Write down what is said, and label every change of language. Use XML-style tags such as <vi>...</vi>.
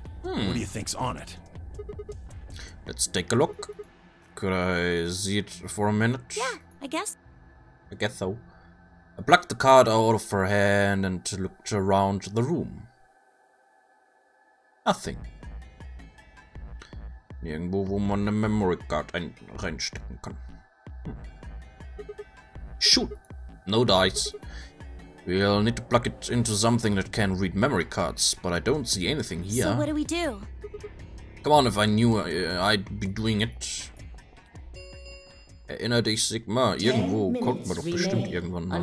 <en>What do you think's on it? Let's take a look. Could I see it for a minute? Yeah, I guess. I guess so. I plucked the card out of her hand and looked around the room. Nothing.</en> <de>Nirgendwo, wo man eine memory card reinstecken kann.</de> <en>Shoot! No dice. We'll need to plug it into something that can read memory cards, but I don't see anything here. So what do we do? Come on, if I knew I'd be doing it.</en> <de>Erinner dich, Sigma. Irgendwo kommt man doch bestimmt irgendwann mal.</de>